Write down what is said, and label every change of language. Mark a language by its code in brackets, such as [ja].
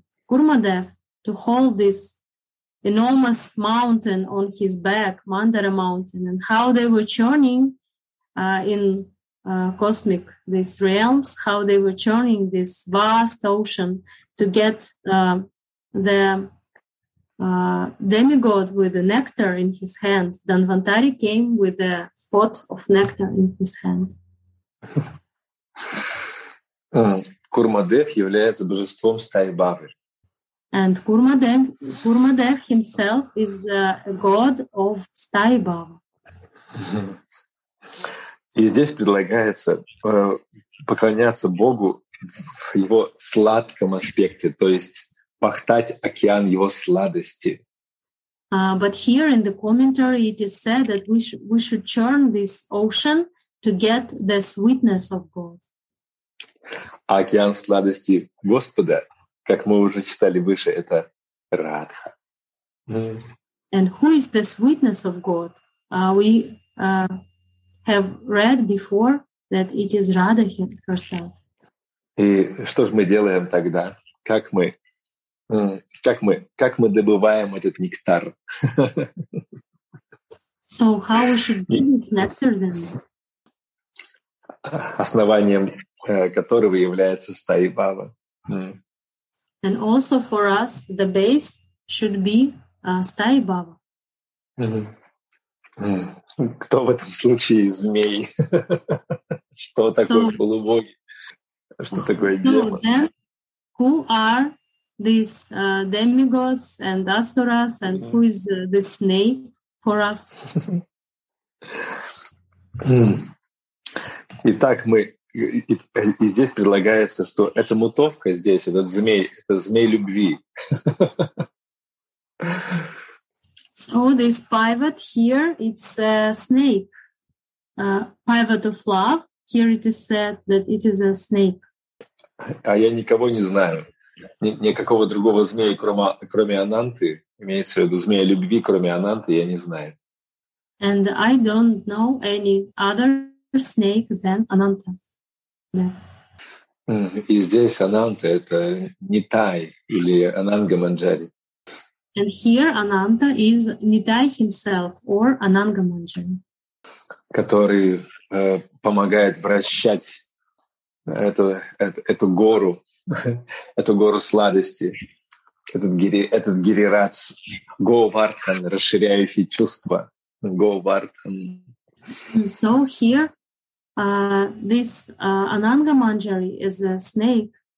[en] Kurmadev to hold this enormous mountain on his back, Mandara Mountain, and how they were churning in cosmic these realms, how they were churning this vast ocean to get the demigod with the nectar in his hand. Danvantari came with a pot of nectar in his hand. [ru] Курмадев является божеством стаи Бавы. [en] And Курмадев himself is a god of стаи Бавы. [ru] И здесь предлагается поклоняться Богу в его сладком аспекте, то есть пахтать океан его сладости. [en] But here in the commentary it is said that we should churn this ocean to get the sweetness of God. [ru] А океан сладости Господа, как мы уже читали выше, это Радха. [en] And who is the sweetness of God? We have read before that it is Radha herself. [ru] И что же мы делаем тогда? Как мы добываем этот нектар? [en] So how we should get this nectar then? [ru] Основанием которого является стаи Бава. [en] And also for us the base should be стаи Бава. [ru] Кто в этом случае змей? Что такое полубоги? Что такое демон? [en] Who are these demigods and asuras and who is the snake for us? [ru] Итак, мы и здесь предлагается, что эта мутовка здесь, этот змей, это змей любви. [en] So this pivot here, it's a snake. Pivot of love. Here it is said that it is a snake. [ru] А я никого не знаю. Никакого другого змея, кроме Ананты, имеется в виду змея любви, кроме Ананты, я не знаю. [en] And I don't know any other snake than Ananta. Yeah. [ru] И здесь Ананта — это Нитай или Ананга Манджари. [en] And here Ananta is Nitai himself or Ananga Manjari. [ru] Который помогает вращать эту гору, эту гору сладости, этот гирирадж, Говардхан, расширяющий чувства, Говардхан. [en] So here this Ananga Manjari is a snake.